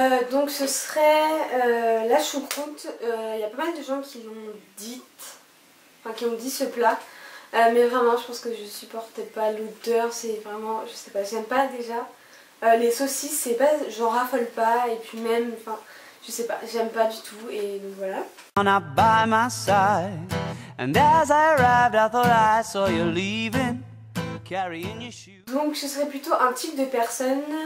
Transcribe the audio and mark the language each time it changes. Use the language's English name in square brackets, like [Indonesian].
[French] Donc ce serait la choucroute. Il y a pas mal de gens qui l'ont dit, enfin qui ont dit ce plat, mais vraiment je pense que je supporte pas l'odeur. C'est vraiment, je sais pas, j'aime pas déjà les saucisses, c'est pas, j'en raffole pas, et puis même, enfin je sais pas, j'aime pas du tout, et donc voilà. On a by my side. [English] And as I arrived, I thought I saw you leaving, carrying your shoes. [French] Donc ce serait plutôt un type de personne.